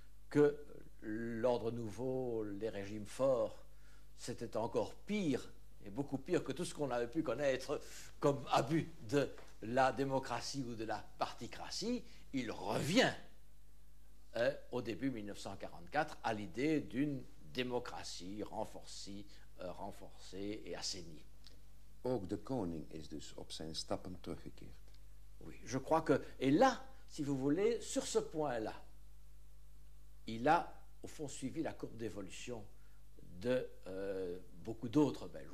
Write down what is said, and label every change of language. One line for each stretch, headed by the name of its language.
French: que l'ordre nouveau, les régimes forts, c'était encore pire, et beaucoup pire que tout ce qu'on avait pu connaître comme abus de la démocratie ou de la particratie, il revient au début 1944 à l'idée d'une démocratie renforcée et assainie.
Dutch: Ook de koning is dus op zijn stappen teruggekeerd.
French: Oui, je crois que, et là, si vous voulez, sur ce point-là, il a au fond suivi la courbe d'évolution de beaucoup d'autres Belges.